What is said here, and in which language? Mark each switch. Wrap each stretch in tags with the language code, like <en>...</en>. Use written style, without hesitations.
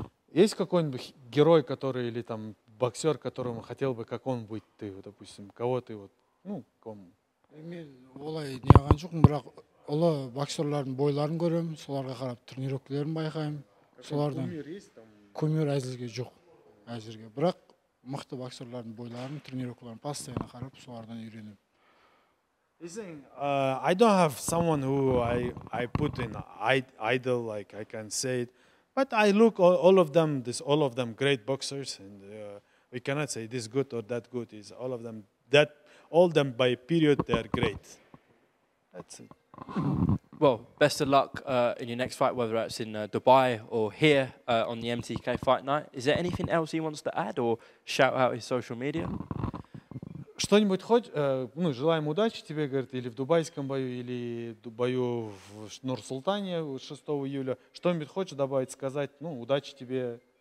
<ru>Есть какой-нибудь герой, который или там боксер, которому хотел бы, как он быть, ты, допустим, кого ты вот, ну, кому?</ru> <kk>Мен олай не алған жоқ, бірақ олы боксерлардың бойларын көрем, соларға қарап тренировкаларын байқаем. Солардан кумир әзірге жоқ, әзірге. Бірақ мықты боксерлардың бойларын, тренировкаларын постоянно қарап, солардан үйренем.</kk> <en>I don't have someone who I put in idol, like I can say it. But I look all of them great boxers, and we cannot say this good or that good. Is all of them that all them by period they are great. That's it. Well, best of luck in your next fight, whether that's in Dubai or here on the MTK Fight Night. Is there anything else he wants to add or shout out his social media?</en> <ru>Что-нибудь хоть, ну, желаем удачи тебе, говорит, или в дубайском бою, или бою в Нур-Султане 6 июля. Что-нибудь хочешь добавить, сказать? Ну, удачи тебе.</ru>